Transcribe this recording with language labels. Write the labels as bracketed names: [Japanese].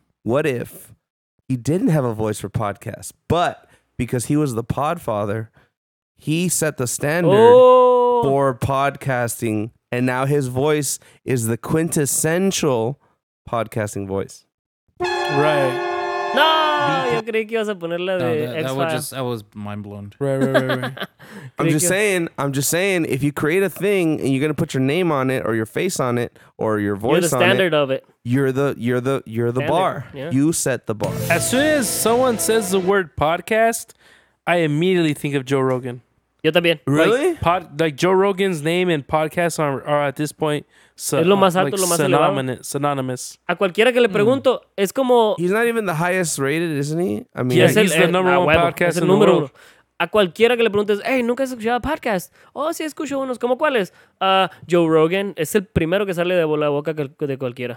[English] What if he didn't have a voice for podcast, but because he was the podfather... He set the standard for podcasting, and now his voice is the quintessential podcasting voice. Right. [Spanish] No, yo creí que ibas a poner la de X-File. [English] That was mind blown. Right. I'm just saying, if you create a thing and you're going to put your name on it or your face on it or your voice on it. You're the standard of it. You're the bar. Yeah. You set the bar. As soon as someone says the word podcast, I immediately think of Joe Rogan. [Spanish] Yo también. [English] Really? Like Joe Rogan's name and podcast are at this point synonymous. [Spanish] A cualquiera que le pregunto, es como... [English] He's not even the highest rated, isn't he? I mean, he's the number one podcast in the world. [Spanish] A cualquiera que le preguntes, hey, ¿nunca has escuchado podcast? Oh, sí, escucho unos. ¿Cómo cuáles? Joe Rogan es el primero que sale de la boca de cualquiera.